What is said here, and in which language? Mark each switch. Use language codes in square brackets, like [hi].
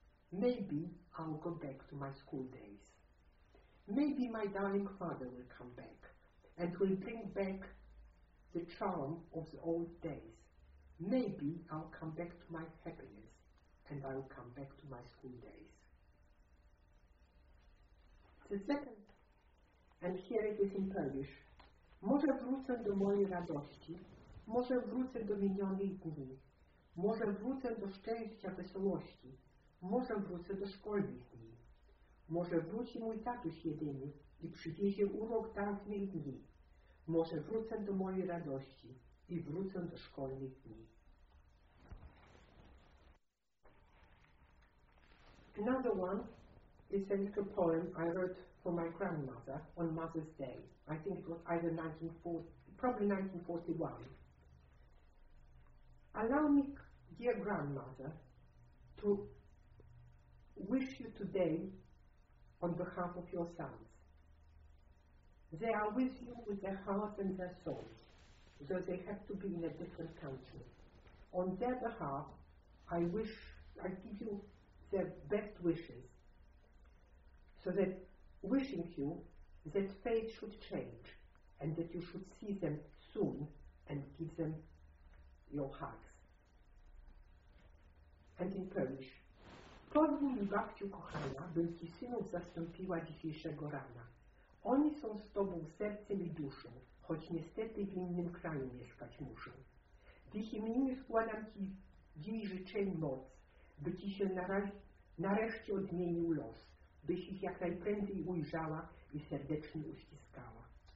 [en] Maybe I'll go back to my school days. Maybe my darling father will come back and will bring back the charm of the old days. Maybe I'll come back to my happiness and I'll come back to my school days. The second, and here it is in Polish. [pl] Może wrócę do mojej radości, może wrócę do minionych dni, może wrócę do szczęścia, wesołości, może wrócę do szkolnych dni. Może wróci mój tatuś jedyny i przywiezie urok dawnych dni. Może wrócę do mojej radości i wrócę do szkolnych dni. [en] Another one is a little poem I wrote for my grandmother on Mother's Day. I think it was either 1940, probably 1941. Allow me, dear grandmother, to wish you today on behalf of your sons. They are with you with their hearts and their souls, though they have to be in a different country. On their behalf, I give you their best wishes, so that wishing you that fate should change and that you should see them soon and give them your hugs. And in Polish, [pl] Formuli, babciu kochana, bym ci siłą zastąpiła dzisiejszego rana. Oni są z tobą sercem i duszą, choć niestety w innym kraju mieszkać muszą. W ich imieniu składam ci dziś życzeń moc, by ci się nareszcie odmienił los, byś ich jak najprędzej ujrzała i serdecznie uściskała.